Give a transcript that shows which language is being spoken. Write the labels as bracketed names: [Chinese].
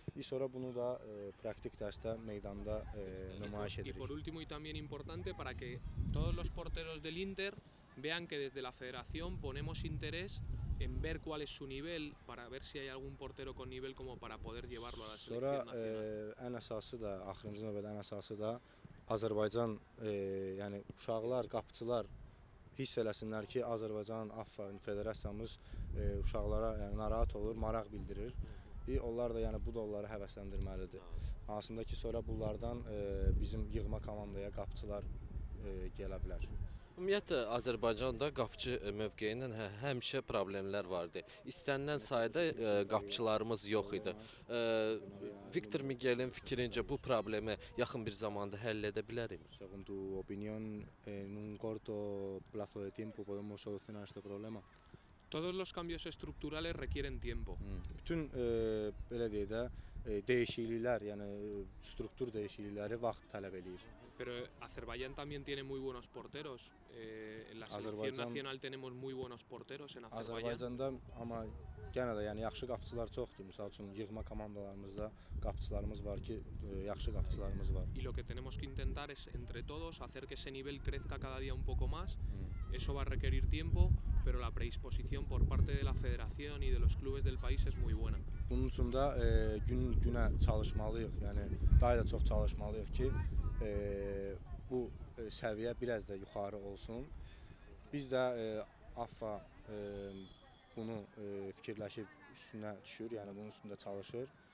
[Azerbaijani] Və sonra bunu da praktik dərsdə meydanda nümayiş edirik. [Spanish] Y por último y también importante para que todos los porteros del Inter vean que desde la federación ponemos interés en ver cuál es su nivel para ver si hay algún portero con nivel como para poder llevarlo a la selección nacional. [Azerbaijani] Sonra ən əsası da, axırıncı növbədə ən əsası da Azərbaycan yəni uşaqlar, qapıçılar hiss eləsinlər ki, Azərbaycan AFA federasiyamız uşaqlara yəni narahat olur, maraq bildirir. Onlar da yəni bu da onları həvəsləndirməlidir. Hansında ki, sonra bunlardan bizim yığma komandaya qapıçılar gələ bilər. Ümumiyyətlə Azərbaycanda qapıçı mövqeyinin həmişə problemlər vardı. İstənilən sayda qapıçılarımız yox idi. Victor Miguel'in fikrincə bu problemi yaxın bir zamanda həll edə bilərik. [Spanish] Según tu opinión, en un corto plazo de tiempo podemos solucionar este problema. Todos los cambios estructurales requieren tiempo. [Azerbaijani] Bütün belə deyək də dəyişikliklər, yəni struktur dəyişiklikləri vaxt tələb eləyir. [Spanish] Pero Azerbaiyán también tiene muy buenos porteros. En la selección nacional tenemos muy buenos porteros en Azerbaiyán. [Azerbaijani] Amma yenə də yəni yaxşı qapıçılar çoxdur. Məsəl üçün yığma komandalarımızda qapıçılarımız var ki, yaxşı qapıçılarımız var. [Spanish] Y lo que tenemos que intentar es entre todos hacer que ese nivel crezca cada día un poco más. Eso va a requerir tiempo. pero la predisposición por parte de la federación y de los clubes del país es muy buena. [Azerbaijani] Bunun üçün də gün-günə çalışmalıyıq, yəni daha da çox çalışmalıyıq ki, bu səviyyə biraz da yuxarı olsun. Biz də AFFA bunu fikirləşib üstünə düşür, yəni bunun üstündə çalışır.